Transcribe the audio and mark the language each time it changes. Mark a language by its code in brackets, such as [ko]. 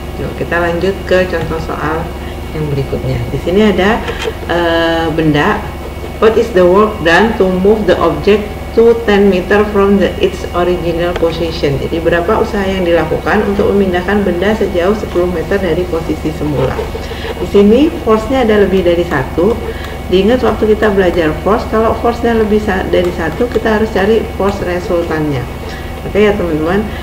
[id] Yuk, kita lanjut ke contoh soal yang berikutnya. Di sini ada benda. [en] What is the work done to move the object to 10 meter from its original position? [id] Jadi berapa usaha yang dilakukan untuk memindahkan benda sejauh 10 meter dari posisi semula? Di sini force-nya ada lebih dari 1. Diingat waktu kita belajar force, kalau force-nya lebih dari 1, kita harus cari force resultannya. Oke ya teman-teman.